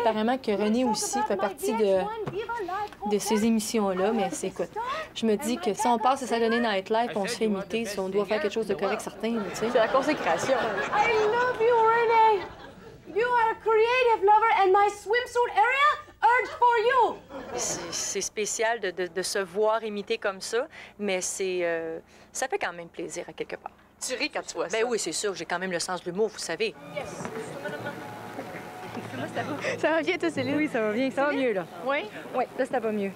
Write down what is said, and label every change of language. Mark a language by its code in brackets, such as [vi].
[fr] Apparemment que René aussi fait partie de ces émissions-là, mais c'est écoute. Je me dis que si on passe à Saturday Night Live, on se fait imiter, si on doit faire quelque chose de correct, certain, tu sais. C'est la consécration. [en] I love you, René. You are a creative lover and my swimsuit area urge for you. [fr] C'est spécial de se voir imiter comme ça, mais c'est ça fait quand même plaisir à quelque part. Tu ris quand tu vois ça. Ben oui, c'est sûr, j'ai quand même le sens de l'humour, vous savez. Yes. Ça va bien, toi, Céline? Oui, ça va bien. Ça va mieux, là. Oui? Oui, là, ça va mieux.